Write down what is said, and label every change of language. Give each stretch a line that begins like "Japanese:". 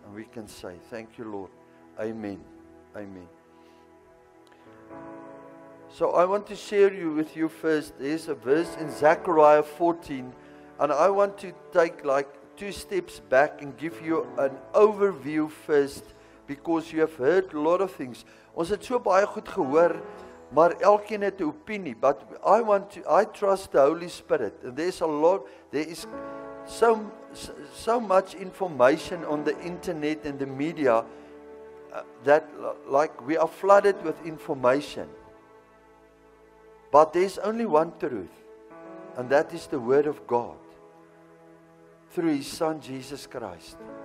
English: And we can say, thank you, Lord. Amen. Amen. So I want to share you with you first. There's a verse in Zechariah 14. And I want to take like two steps back and give you an overview first. Because you have heard a lot of things.
Afrikaans: Ons het so baie goed gehoor, maar elkeen het 'n opinie.
English: But I trust the Holy Spirit. And there's a lot, there is so much information on the internet and the media that like we are flooded with information, but there's only one truth, and that is the Word of God through His Son Jesus Christ.